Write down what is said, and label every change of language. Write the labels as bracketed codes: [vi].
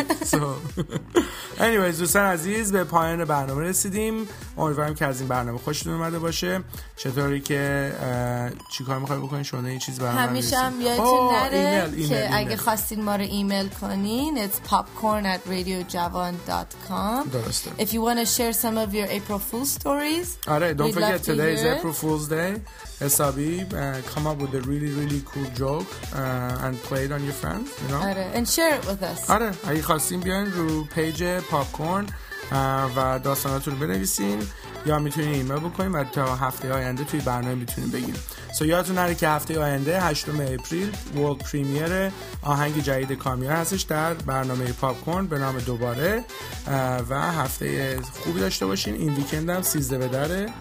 [en] so anyways [fa] دوستان عزیز به پایان برنامه رسیدیم امیدوارم که از این برنامه خوشتون اومده باشه چطوری که چیکار میخوای بکنی شونه این چیز برنامه همیشه هم یادتون نره که اگه خواستین ما رو ایمیل کنین [en] it's popcorn@radiojavan.com [fa] درسته [en] if you want to share some of your April Fool's stories آره don't forget today is April Fool's Day [fa] حسابی [en] come up with a really really cool joke and play it on your friends you know آره and share it with us [fa] آره اگه خواستین بیاین رو پیج پاپکورن و داستاناتون رو بنویسین یا میتونین ایمیل بکنین و تا هفته آینده توی برنامه میتونین بگین سو یادتون نره که هفته آینده 8 اپریل ورلد پریمیر آهنگ جدید کامیا هستش در برنامه پاپکورن به نام دوباره و هفته خوبی داشته باشین این ویکند هم 13 به دره